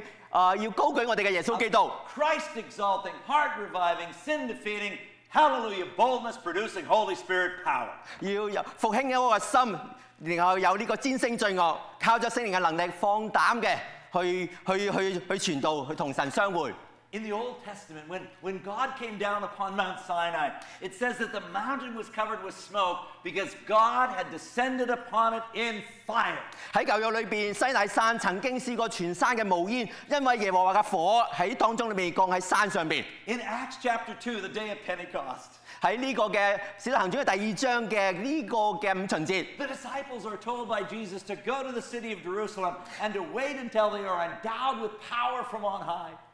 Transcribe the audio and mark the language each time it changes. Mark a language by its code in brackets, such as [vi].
[zh] 我們要高舉我們的耶穌基督。 [en] Christ-exalting, heart-reviving, sin-defeating, hallelujah, boldness producing Holy Spirit power. [zh] 要復興一個心, 然後有這個戰勝罪惡,靠著聖靈的能力,放膽的去傳道,去同神相會。 [en] In the Old Testament, when God came down upon Mount Sinai, it says that the mountain was covered with smoke because God had descended upon it in fire. [zh] 在舊約裏面,西乃山曾經試過全山的冒煙,因為耶和華的火在當中降在山上面。 [en] In Acts chapter 2, the day of Pentecost, [zh] 在《使徒行傳》第二章的五旬節, [en] the disciples are told by Jesus to go to the city of Jerusalem and to wait until they are endowed with power from on high.